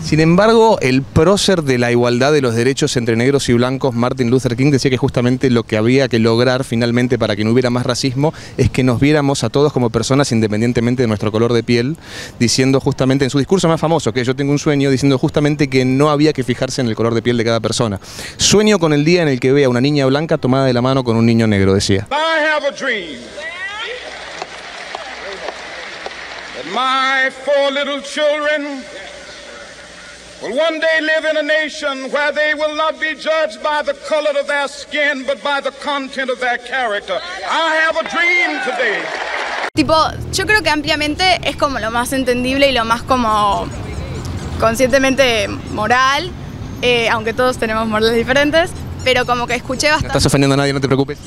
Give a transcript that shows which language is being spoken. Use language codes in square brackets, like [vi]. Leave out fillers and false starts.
[es] Sin embargo, el prócer de la igualdad de los derechos entre negros y blancos, Martin Luther King, decía que justamente lo que había que lograr finalmente para que no hubiera más racismo es que nos viéramos a todos como personas independientemente de nuestro color de piel, diciendo justamente, en su discurso más famoso, que yo tengo un sueño, diciendo justamente que no había que fijarse en el color de piel de cada persona. Sueño con el día en el que vea una niña blanca tomada de la mano con un niño negro, decía. [en] I have a dream. My four little children will one day live in a nation where they will not be judged by the color of their skin, but by the content of their character. I have a dream today. [es] Tipo, yo creo que ampliamente es como lo más entendible y lo más como conscientemente moral, aunque todos tenemos morales diferentes, pero como que escuché bastante. No estás ofendiendo a nadie, no te preocupes.